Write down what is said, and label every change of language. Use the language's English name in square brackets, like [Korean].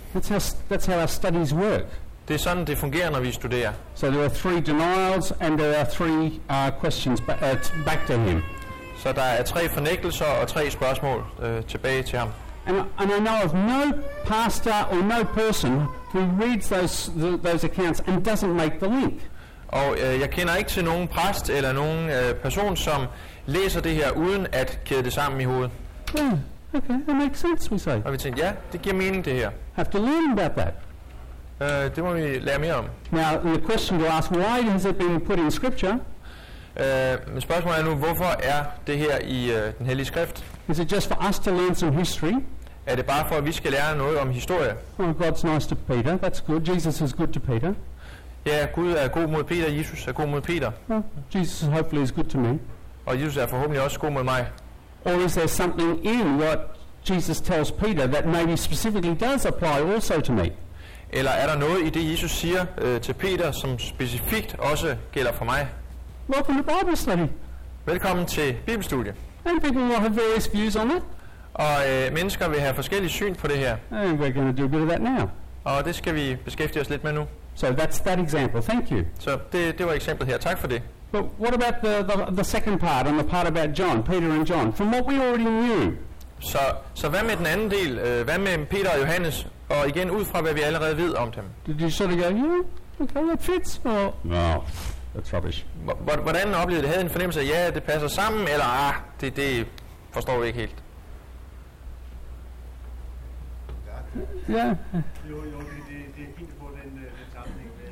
[English] That's how our studies work. [Danish] Det er sådan det fungerer når vi studerer. [English] So there are three denials and there are three questions back to him. [Danish] Så der er tre fornægtelser og tre spørgsmål tilbage til ham. [English] And I know of no pastor or no person who reads those accounts and doesn't make the link. [Danish] Og jeg kender ikke til nogen præst eller nogen person som læser det her uden at kæde det sammen i hovedet. [English] Okay, that makes sense, we say. [Danish] Og vi tænkte, ja, det giver mening det her. [English] Have to learn about that. [Danish] Det må vi lære mere om. [English] Now, the question to ask, why has it been put in scripture? [Danish] Men spørgsmålet er nu, hvorfor er det her i den hellige skrift? [English] Is it just for us to learn some history? [Danish] Er det bare for, at vi skal lære noget om historie? [English] Oh, God's nice to Peter, that's good. Jesus is good to Peter. [Danish] Ja, Gud er god mod Peter, Jesus er god mod Peter. [English] Well, Jesus hopefully is good to me. [Danish] Og Jesus er forhåbentlig også god mod mig. [English] Or is there something in what Jesus tells Peter that maybe specifically does apply also to me? [Danish] Eller er der noget i det Jesus siger til Peter, som specifikt også gælder for mig? [English] Welcome to Bible study. [Danish] Velkommen til Bibelstudie. [English] And people will have various views on it. [Danish] Og mennesker vil have forskellige syn på det her. [English] And we're going to do a bit of that now. [Danish] Og det skal vi beskæftige os lidt med nu. [English] So that's that example. Thank you. [Danish] Så det var eksemplet her. Tak for det. [English] But what about the second part and the part about John, Peter and John? From what we already knew. [Danish] Så hvad med den anden del? Hvad med Peter og Johannes? Og igen ud fra hvad vi allerede ved om dem. [English] Did you sort of go, yeah, okay, that fits, or? No, that's rubbish. [Danish] Hvordan oplevede det? Havde en fornemmelse af, ja, det passer sammen, eller ah, det forstår vi ikke helt. Ja. Jo, det er fint på den sammenhæng.